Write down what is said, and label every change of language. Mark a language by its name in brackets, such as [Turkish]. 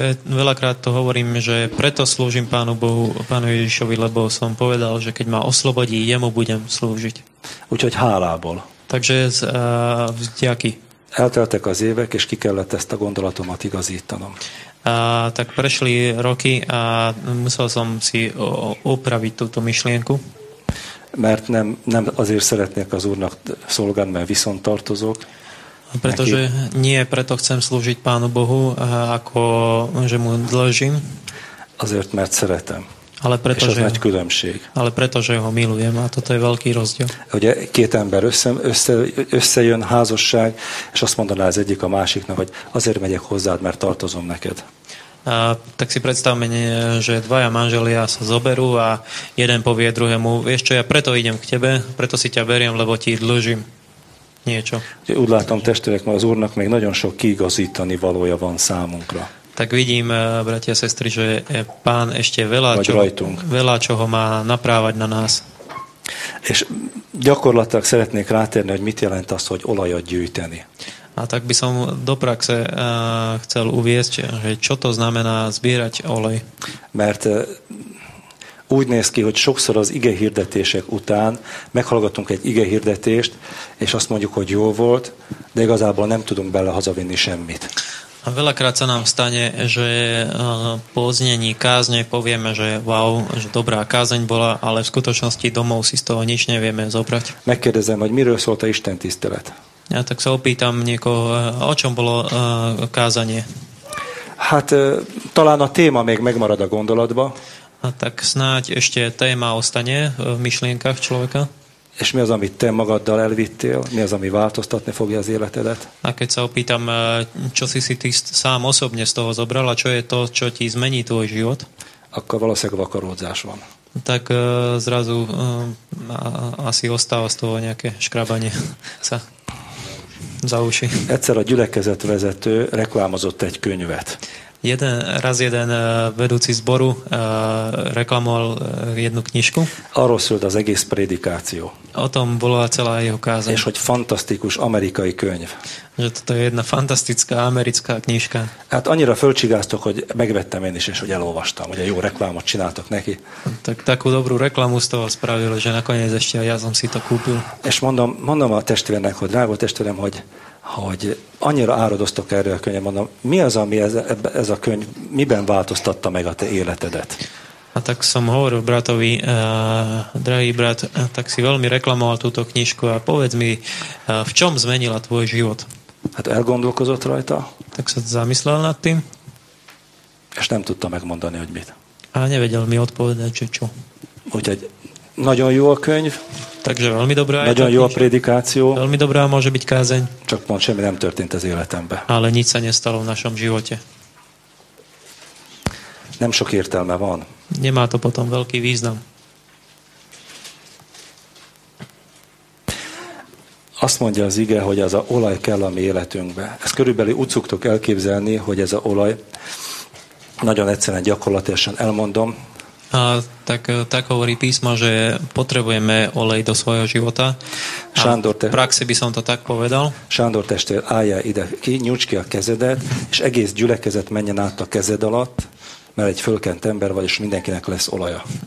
[Slovak] Veľakrát to hovorím, že preto slúžim Pánu Bohu, Pánu Ježišovi, lebo som povedal, že keď ma oslobodí, jemu budem slúžiť. [Hungarian] Úgyhogy hálából. [Slovak] Takže vďaky. [Hungarian] Elteltek az évek, és ki kellett ezt a gondolatomat igazítanom. [Slovak] Tak prešli roky a musel som si upraviť túto myšlienku. [Hungarian] Mert nem azért szeretnék az Úrnak szolgálni, mert viszont tartozok. [Slovak] Pretože nie preto chcem slúžiť Pánu Bohu, ako že mu dlžím. [Hungarian] Azért, mert szeretem. [Slovak] Ale preto, [Hungarian] és az nagy különbség. [Slovak] Ale preto, že ho milujem, a toto je veľký rozdiel. [Hungarian] Ugye két ember összejön házasság, és azt mondaná az egyik a másiknak, hogy azért megyek hozzád, mert tartozom neked. [Slovak] Tak si predstavme, že dvaja manželia sa zoberú a jeden povie druhému, vieš čo, ja preto idem k tebe, preto si ťa beriem, lebo ti dlžím. Niečo. [Hungarian] Úgy látom, testvérek, az Úrnak még nagyon sok kiigazítani valója van számunkra. [Slovak] Tak vidím, bratia, sestri, že Pán ešte veľa čoho má naprávať na nás. [Hungarian] És gyakorlatilag szeretnék rátérni, hogy mit jelent az, hogy olajat gyűjteni. [Slovak] A tak by som do praxe chcel uviesť, že čo to znamená zbierať olej. [Hungarian] Mert úgy néz ki, hogy sokszor az ige hirdetések után meghallgatunk egy ige hirdetést, és azt mondjuk, hogy jó volt, de igazából nem tudunk bele hazavinni semmit. [Slovak] A veľakrát sa nám stane, že po znení kázne povieme, že wow, že dobrá kázeň bola, ale v skutočnosti domov si z toho nič nevieme zobrať. [Hungarian] Megkérdezem, hogy miről szólt a Isten tisztelet? [Slovak] Ja tak sa opýtam niekoho, o čom bolo kázanie? [Hungarian] Hát talán a téma még megmarad a gondolatba. [Slovak] A tak snáď ešte téma ostane v myšlienkach človeka. [Hungarian] És mi az, amit te magaddal elvittél? Mi az, ami változtatni fogja az életedet? [Slovak] A keď sa opýtam, čo si ty sám osobne z toho zobral, a čo je to, čo ti zmení tvoj život? [Hungarian] Akkor valószínűleg vakaródzás van. [Slovak] Tak zrazu asi ostáva z toho nejaké škrabanie sa. za uši. [Hungarian] Egyszer a gyülekezet vezető reklámozott egy könyvet. [Slovak] Jeden vedúci zboru reklamoval jednu knižku. [Hungarian] Arról szólt az egész predikáció. [Slovak] O tom bola celá jeho kázeň. [Hungarian] És hogy fantasztikus amerikai könyv. [Slovak] Že toto je jedna fantastická americká knižka. [Hungarian] Hát annyira fölcsigáztok, hogy megvettem én is, és hogy elolvastam, hogy a jó reklámot csináltok neki. [Slovak] Tak takú dobrú reklamu z toho spravilo, že nakoniec ešte ja som si to kúpil. [Hungarian] És mondom a testvérnek, hogy drágo testvérem, hogy annyira áradoztok erről a könyvet, mondom, mi az, ami ez a könyv, miben változtatta meg a te életedet? [Slovak] Hát tak som hovoril bratovi, drahý brat, tak si veľmi reklamoval túto knižku a povedz mi, v čom zmenila tvoj život? [Hungarian] Hát elgondolkozott rajta. [Slovak] Tak sa zamyslel nad tým. [Hungarian] És nem tudta megmondani, hogy mit. [Slovak] A nevedel mi odpovedať, či čo. [Hungarian] Úgyhogy nagyon jó a könyv. [Slovak] Takže veľmi dobrá [Hungarian] aj nagyon jó a predikáció. [Slovak] Veľmi dobrá môže byť kázeň. [Hungarian] Csak pont semmi nem történt az életembe. [Slovak] Ale nič sa nestalo v našom živote. [Hungarian] Nem sok értelme van. [Slovak] Nemá to potom veľký význam. [Hungarian] Azt mondja az ige, hogy az a olaj kell a mi életünkbe. Ezt körülbelül úgy szoktok elképzelni, hogy ez a olaj, nagyon egyszerűen gyakorlatilag elmondom. [Slovak] A, tak hovorí písmo, že potrebujeme olej do svojho života. V praxi by som to tak povedal. [Hungarian] Sándor testvér, álljál ide ki, nyújts ki a kezedet, és egész gyülekezet menjen át a kezed alatt, mert egy fölkent ember vagy, és mindenkinek lesz olaja.